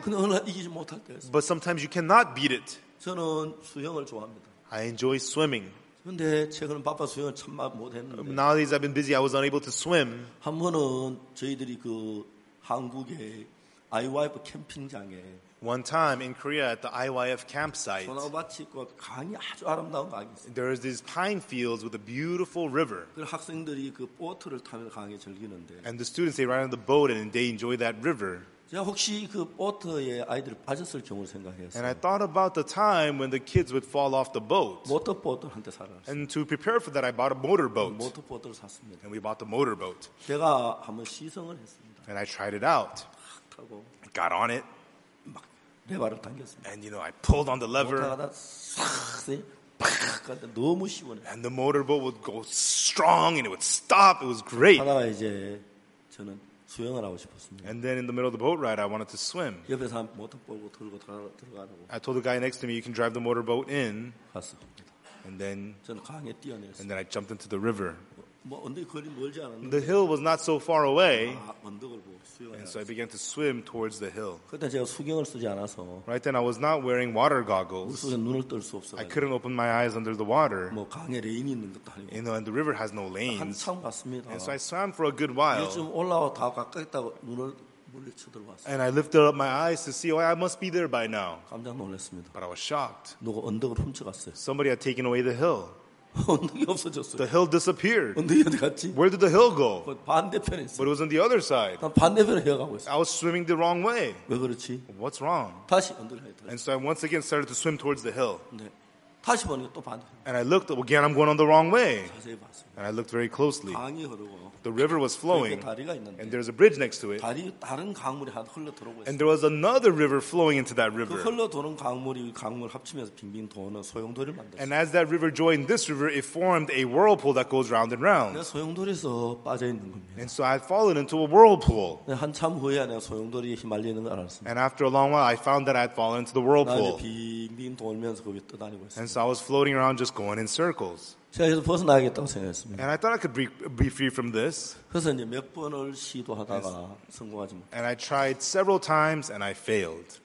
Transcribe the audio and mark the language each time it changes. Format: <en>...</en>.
<ko>근데 오늘 이기지 못할 때가 있어.</ko> <en>But sometimes you cannot beat it.</en> <ko>저는 수영을 좋아합니다.</ko> <en>I enjoy swimming.</en> <ko>근데 최근은 바빠 수영을 참 못 했는데.</ko> <en>Nowadays I've been busy. I was unable to swim.</en> <ko>한 번은 저희들이 그 한국에 IYF 캠핑장에</ko> <en>one time in Korea at the IYF campsite.</en> <ko>소나무밭이 있고 강이 아주 아름다운 강이 있어.</ko> <en>There is these pine fields with a beautiful river.</en> <ko>그 학생들이 그 보트를 타면 강에 즐기는데.</ko> <en>And the students they ride on the boat and they enjoy that river.</en> <ko>제가 혹시 그 보트에 아이들이 빠졌을 경우를 생각했어요.</ko> <en>And I thought about the time when the kids would fall off the boat.</en> <ko>모터보트를 한 대 사놨어요.</ko> <en>And to prepare for that, I bought a motorboat.</en> <ko>모터보트를 샀습니다.</ko> <en>And we bought the motorboat.</en> <ko>제가 한번 시승을 했습니다.</ko> <en>And I tried it out.</en> <ko>탁 타고.</ko> <en>I got on it.</en> <ko>막 레버를 당겼습니다.</ko> <en>And you know, I pulled on the lever.</en> <ko>모터가 싹 팍 하다 너무 시원해.</ko> <en>And the motorboat would go strong and it would stop. It was great.</en> <ko>하다가 이제 저는 수영을 하고 싶었습니다.</ko> <en>And then in the middle of the boat ride, I wanted to swim.</en> <ko>옆에서 한 모터보트 들고 들어가라고.</ko> <en>I told the guy next to me, you can drive the motorboat in.</en> <ko>갔습니다.</ko> <en>And then</en> <ko>저는 강에 뛰어내렸어요.</ko> <en>And then I jumped into the river.</en> <ko>뭐 언덕 거리 멀지 않았는데.</ko> <en>The hill was not so far away.</en> <ko>아, 언덕을 보고 수영을.</ko> <en>And so I began to swim towards the hill.</en> <ko>그때 제가 수경을 쓰지 않아서.</ko> <en>Right then, I was not wearing water goggles.</en> <ko>물속에 눈을 뜰 수 없어.</ko> <en>I couldn't open my eyes under the water.</en> <ko>뭐 강에 레인이 있는 것도 아니고.</ko> <en>You know, and the river has no lanes.</en> <ko>한참 갔습니다.</ko> <en>And so I swam for a good while.</en> <ko>요즘 올라와 다 가까이다고 눈을 물에 쳐들어왔어.</ko> <en>And I lifted up my eyes to see, oh, I must be there by now.</en> <ko>깜짝 놀랐습니다.</ko> <en>But I was shocked.</en> <ko>누가 언덕을 훔쳐갔어요.</ko> <en>Somebody had taken away the hill.</en> <ko>언덕이 없어졌어요.</ko> <en>The hill disappeared.</en> <ko>언덕이 어디 갔지?</ko> <en>Where did the hill go?</en> <ko>반대편에 있어.</ko> <en>But it was on the other side.</en> <ko>난 반대편에 헤어가고 있어.</ko> <en>I was swimming the wrong way.</en> <ko>왜 그렇지?</ko> <en>What's wrong?</en> <ko>다시 언덕을 향해.</ko> <en>And so I once again started to swim towards the hill.</en> <ko>네. 다시 보니까 또 반대.</ko> <en>And I looked again. I'm going on the wrong way.</en> <ko>자세히 봤어요.</ko> <en>And I looked very closely.</en> <ko>강이 흐르고.</ko> <en>The river was flowing.</en> <ko>그 다리가 있는데.</ko> <en>And there's a bridge next to it.</en> <ko>다리 다른 강물이 하나 흘러 들어오고 있어.</ko> <en>And there was another river flowing into that river.</en> <ko>그 흘러 도는 강물이 강물 합치면서 빙빙 도는 소용돌이를 만들었어.</ko> <en>And as that river joined this river, it formed a whirlpool that goes round and round.</en> <ko>내가 소용돌에서 빠져 있는 겁니다.</ko> <en>And so I'd fallen into a whirlpool.</en> <ko>한참 후에 내가 소용돌이 휘말리는 걸 알았습니다.</ko> <en>And after a long while, I found that I'd fallen into the whirlpool.</en> <ko>나 빙빙 돌면서 거기 떠다니고 있어.</ko> <en>So I was floating around just going in circles.</en> <ko>제가 이제 벗어나야겠다고 생각했습니다.</ko> <en>And I thought I could be free from this.</en> <ko>그래서 이제 몇 번을 시도하다가</ko> <en>yes.</en> <ko>성공하지 못.</ko> <en>And I tried several times and I failed.</en>